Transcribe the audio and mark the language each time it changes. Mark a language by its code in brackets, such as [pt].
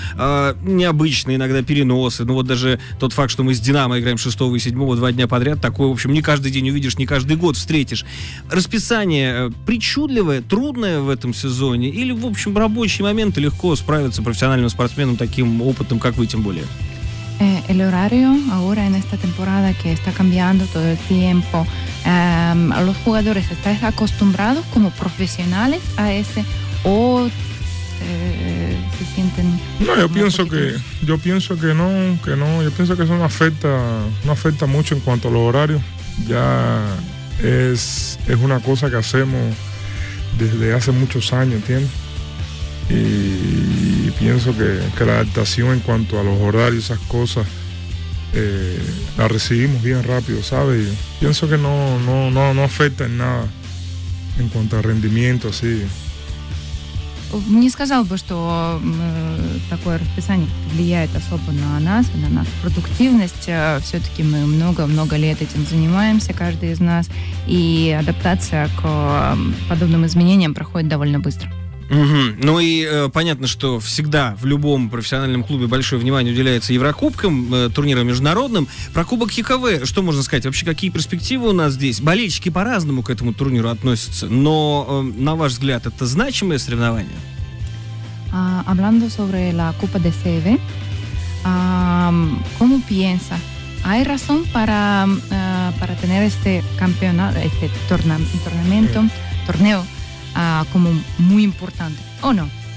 [ru] Необычные иногда переносы. Ну вот даже тот факт, что мы с «Динамо» играем 6 и 7 два дня подряд, такое, в общем, не каждый день увидишь, не каждый год встретишь. Расписание причудливое, трудное в этом сезоне, или, в общем, рабочие моменты легко справиться профессиональным спортсменом таким опытом, как вы, тем более? [es] El horario ahora en esta temporada que está cambiando todo el tiempo, los jugadores están acostumbrados como profesionales a ese o se sienten... No, yo pienso que no, yo pienso que eso no afecta mucho en cuanto a los horarios, ya es una cosa que hacemos desde hace muchos años, ¿entiendes? Y pienso que la adaptación en cuanto a los horarios, esas cosas, la recibimos bien rápido, ¿sabes? Pienso que no afecta en nada en cuanto a rendimiento, así. [ru] Не сказал бы, что такое расписание влияет особо на нас, на нашу продуктивность. Все-таки мы много-много лет этим занимаемся, каждый из нас. И адаптация к подобным изменениям проходит довольно быстро. Угу. Ну и понятно, что всегда в любом профессиональном клубе большое внимание уделяется Еврокубкам, турнирам международным. Про Кубок ЕКВ что можно сказать? Вообще, какие перспективы у нас здесь? Болельщики по-разному к этому турниру относятся, но, на ваш взгляд, это значимое соревнование? [es] Hablando sobre la Copa de CV, ¿cómo piensa? ¿Hay razón para tener este campeonato, este torneo? Como muy importante, ¿o no?